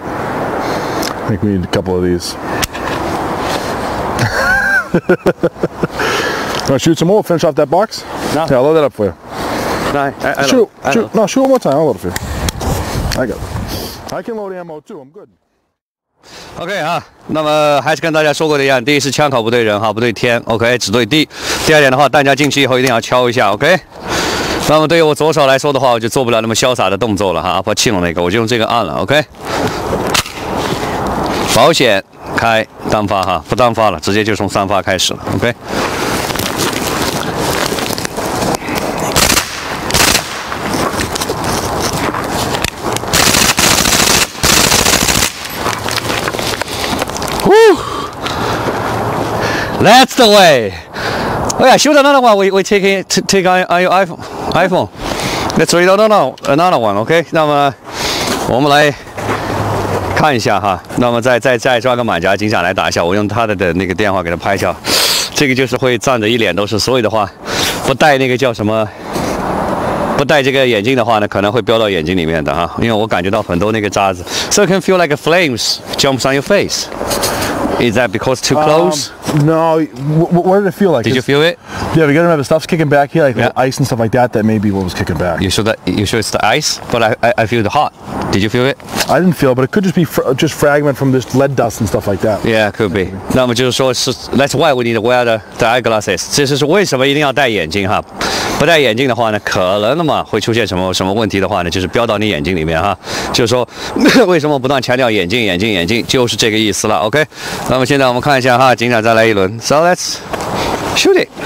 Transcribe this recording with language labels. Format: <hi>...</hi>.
<en>I think we need a couple of these. Want to shoot some more? Finish off that box? No. Yeah, I'll load that up for you. No, shoot one more time. I'll load it for you. I got it. I can load ammo too. I'm good.</en> <zh>OK 哈，那么还是跟大家说过的一样，第一是枪口不对人哈，不对天 ，OK 只对地。第二点的话，弹夹进去以后一定要敲一下 ，OK。那么对于我左手来说的话，我就做不了那么潇洒的动作了哈，不气了那个，我就用这个按了 ，OK。保险开单发哈，不单发了，直接就从三发开始了 ，OK。</zh> <en>That's the way. Oh yeah, shoot another one. We take on your iPhone. Let's read another one. Okay.</en> <zh>那么我们来看一下哈。那么再抓个马甲警长来打一下。我用他的那个电话给他拍一下。这个就是会站着一脸都是，所以的话，不戴那个叫什么，不戴这个眼镜的话呢，可能会飙到眼睛里面的哈。因为我感觉到很多那个渣子。</zh> <en>So it can feel like flames jumps on your face. Is that because too close? No, what did it feel like? Did you feel it? Yeah, we got to remember, stuff's kicking back here, like ice and stuff like that, that may be what was kicking back. You sure it's the ice? But I feel the hot. Did you feel it? I didn't feel it, but it could just be just fragment from this lead dust and stuff like that. Yeah, it could be. Maybe.</en> <zh>那么就是说</zh> <en>that's why we need to wear the eyeglasses.</en> <zh>这就是为什么一定要戴眼镜哈。不戴眼镜的话呢，可能那么会出现什么问题的话呢，就是飙到你眼睛里面哈。就是说，为什么不断强调眼镜，就是这个意思了。 OK， 那么现在我们看一下哈，警长再来一轮。</zh> <en>So let's shoot it.</en>